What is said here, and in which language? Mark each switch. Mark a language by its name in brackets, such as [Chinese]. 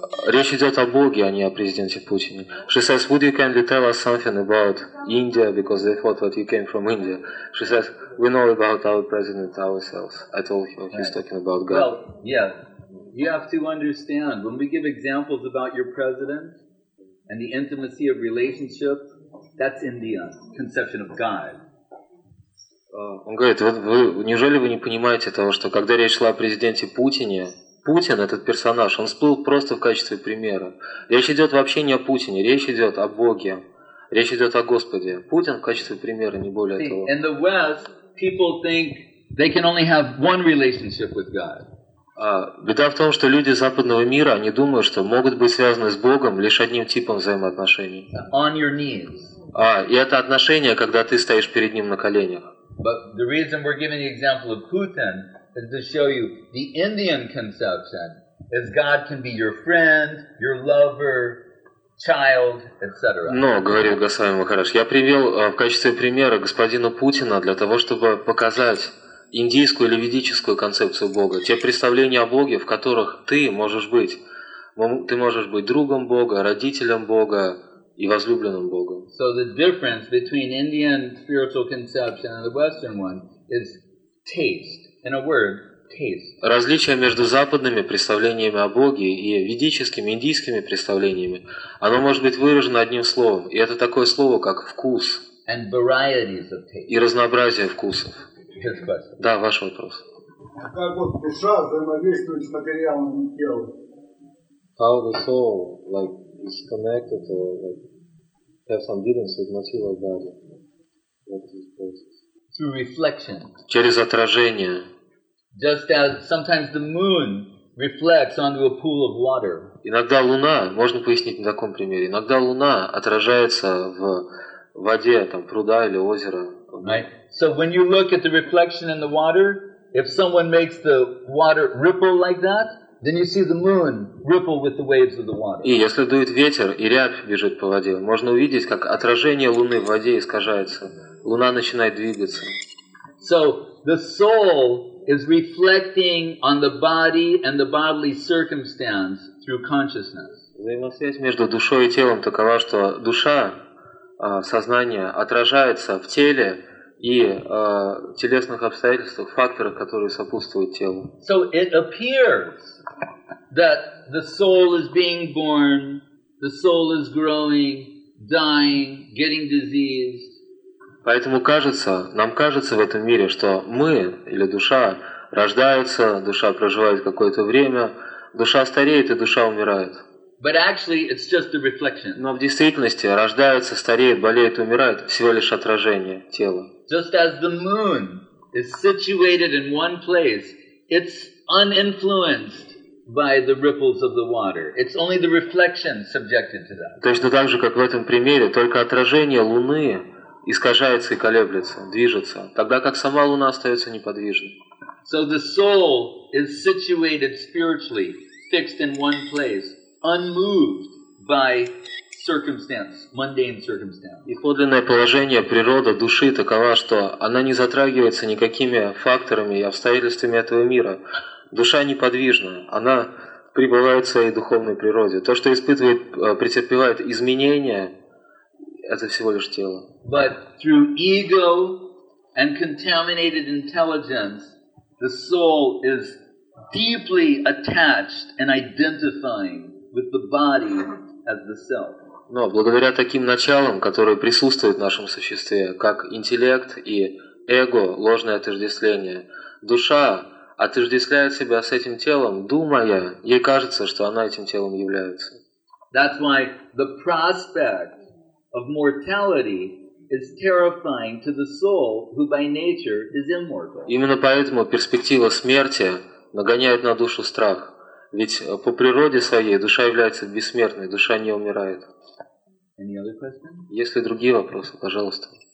[Russian] Речь идет о Боге, а не о президенте Путине. [English] She says, would you kindly tell us something about India, because they thought that you came from India. She says, we know about our president ourselves. I told you, he's right. Talking about God. Well, yeah, you have to understand, when we give examples about your president and the intimacy of relationship, that's India, conception of God. [Russian] Он говорит, вы, неужели вы не понимаете того, что когда речь шла о президенте Путине, Путин, этот персонаж, он всплыл просто в качестве примера. Речь идет вообще не о Путине, речь идет о Боге, речь идет о Господе. Путин в качестве примера, не более того. [English] In the West, people think they can only have one relationship with God. [Russian] Беда в том, что люди западного мира, они думают, что могут быть связаны с Богом лишь одним типом взаимоотношений. [English] On your knees. [Russian] И это отношение, когда ты стоишь перед ним на коленях. [English] But the reason we're giving the example of Putin is to show you the Indian conception is God can be your friend, your lover, child, etc. [Russian] Но, говорил Госвами Махарадж, я привел в качестве примера господина Путина для того, чтобы показать индийскую или ведическую концепцию Бога, те представления о Боге, в которых ты можешь быть другом Бога, родителем Бога и возлюбленным Богом. [English] So the difference between Indian spiritual conception and the Western one is taste. In a word, taste. [Russian] Различие между западными представлениями о Боге и ведическими, индийскими представлениями, оно может быть выражено одним словом, и это такое слово, как вкус. [English] And varieties of taste. [Russian] И разнообразие вкусов. [English] His question. [Russian] Да, ваш вопрос. Как вот душа взаимодействует с материалом тела? [English] How the soul, like, is connected or like have some dealings with material body. What is this process? Through reflection. [Russian] Через отражение. [English] Just as sometimes the moon reflects onto a pool of water. [Russian] Иногда луна, можно пояснить на таком примере. Иногда луна отражается в воде, там пруда или озера. [English] Right. So when you look at the reflection in the water, if someone makes the water ripple like that, then you see the moon ripple with the waves of the water. [Russian] И если дует ветер и рябь бежит по воде, можно увидеть, как отражение луны в воде искажается. Луна начинает двигаться. [English] So the soul is reflecting on the body and the bodily circumstance through consciousness. [Russian] Взаимосвязь между душой и телом такова, что душа, сознание, отражается в теле и телесных обстоятельствах, факторах, которые сопутствуют телу. [English] So it appears that the soul is being born, the soul is growing, dying, getting diseased. [Russian] Поэтому кажется, нам кажется в этом мире, что мы или душа рождается, душа проживает какое-то время, душа стареет и душа умирает. [English] But actually, it's just a reflection. [Russian] Но в действительности рождается, стареет, болеет, умирает всего лишь отражение тела. [English] Just as the moon is situated in one place, it's uninfluenced by the ripples of the water. It's only the reflection subjected to that. [Russian] Точно так же, как в этом примере, только отражение луны искажается и колеблется, движется, тогда как сама луна остается неподвижной. [English] So the soul is situated spiritually, fixed in one place. Unmoved by circumstance, mundane circumstance. [Russian] И подлинное положение природы души такова, что она не затрагивается никакими факторами и обстоятельствами этого мира. Душа неподвижна, она пребывает в своей духовной природе. То, что испытывает, претерпевает изменения, это всего лишь тело. [English] But through ego and contaminated intelligence, the soul is deeply attached and identifying with the body as the self. [Russian] Но благодаря таким началам, которые присутствуют в нашем существе, как интеллект и эго, ложное отождествление, душа отождествляет себя с этим телом, думая, ей кажется, что она этим телом является. [English] That's why the prospect of mortality is terrifying to the soul who by nature is immortal. [Russian] Именно поэтому перспектива смерти нагоняет на душу страх. Ведь по природе своей душа является бессмертной, душа не умирает. Есть ли другие вопросы, пожалуйста?